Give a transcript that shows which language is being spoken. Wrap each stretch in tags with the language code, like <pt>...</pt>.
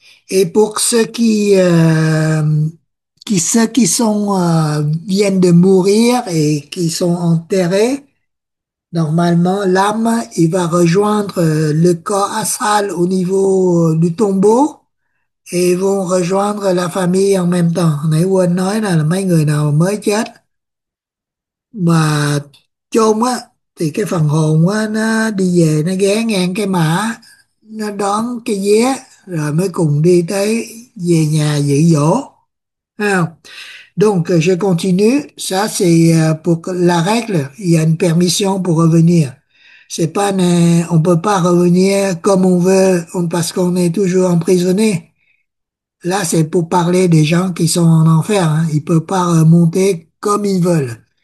<fr>Et pour ceux qui viennent de mourir et qui sont enterrés, normalement, l'âme, il va rejoindre le corps astral au niveau du tombeau, et vont rejoindre la famille en même temps.</fr> <vi>Nãy quên nói là mấy người nào mới chết mà chôn á, thì cái phần hồn á, nó đi về, nó ghé ngang cái mã, nó đón cái vé, rồi mới cùng đi tới về nhà dự dỗ.</vi> <fr>Ah. Donc, je continue. Ça, c'est pour la règle. Il y a une permission pour revenir. C'est pas, on peut pas revenir comme on veut, parce qu'on est toujours emprisonné. Là, c'est pour parler des gens qui sont en enfer. Hein. Ils peuvent pas remonter comme ils veulent.</fr>